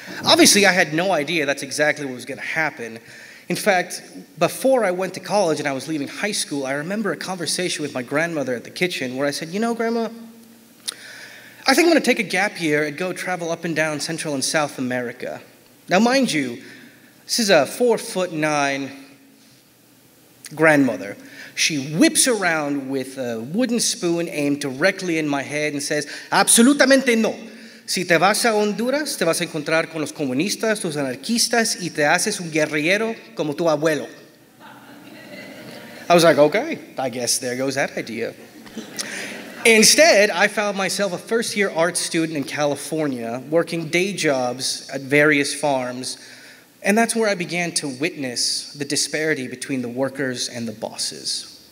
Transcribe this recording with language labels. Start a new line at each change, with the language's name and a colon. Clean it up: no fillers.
English: Obviously, I had no idea that's exactly what was going to happen. In fact, before I went to college and I was leaving high school, I remember a conversation with my grandmother at the kitchen where I said, you know, Grandma, I think I'm going to take a gap year and go travel up and down Central and South America. Now, mind you, this is a 4'9" grandmother. She whips around with a wooden spoon aimed directly in my head and says,
Spanish: absolutamente no. Si te vas a Honduras, te vas a encontrar con los comunistas, los anarquistas, y te haces un guerrillero como tu abuelo.
English: I was like, okay, I guess there goes that idea. Instead, I found myself a first-year art student in California, working day jobs at various farms, and that's where I began to witness the disparity between the workers and the bosses.